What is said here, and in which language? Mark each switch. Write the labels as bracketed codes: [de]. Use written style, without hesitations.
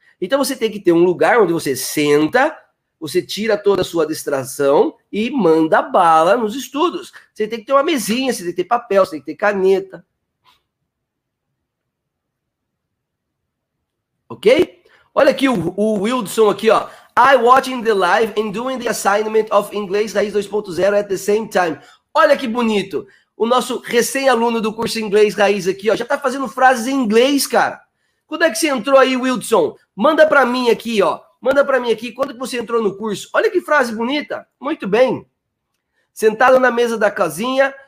[pt] Então, você tem que ter um lugar onde você senta, você tira toda a sua distração e manda bala nos estudos. Você tem que ter uma mesinha, você tem que ter papel, você tem que ter caneta. Ok? Olha aqui o Wilson aqui, ó. [en] I watching the live and doing the assignment of English Raiz 2.0 at the same time. [pt] Olha que bonito. O nosso recém-aluno do curso Inglês Raiz aqui, ó, já tá fazendo frases em inglês, cara. Quando é que você entrou aí, Wilson? Manda pra mim aqui, ó. Manda para mim aqui, quando que você entrou no curso? Olha que frase bonita. Muito bem. Sentado na mesa da cozinha.